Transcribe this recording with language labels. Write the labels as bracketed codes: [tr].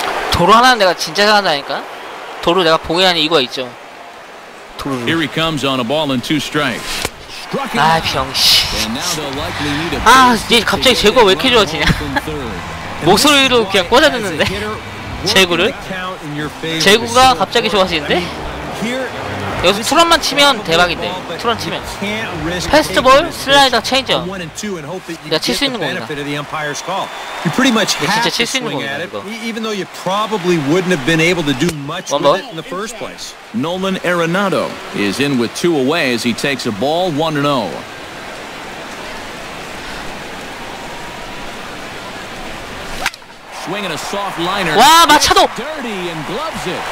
[ko] 도루 하나는 내가 진짜 잘한다니까? 도루 내가 봉인하니 이거 있죠. 도루. [en] Here he comes on a ball and two strikes. [ko] 아, 병씨. 아, 얘 갑자기 제구가 왜 이렇게 좋아지냐? 목소리로 그냥 꽂아냈는데? 제구를? 제구가 갑자기 좋아지는데? 여기서 투런만 치면 대박인데. 투런 치면 패스트볼, 슬라이더, 체인저. 내가 칠 수 있는 겁니다. 내가 진짜 칠 수 있는 겁니다. 이거 [en] though you probably wouldn't have been able to do much with it in the first place. Nolan Arenado is in with two away as he takes a ball 1-0. swinging a soft liner. 와, 마차도. Dirty and gloves it.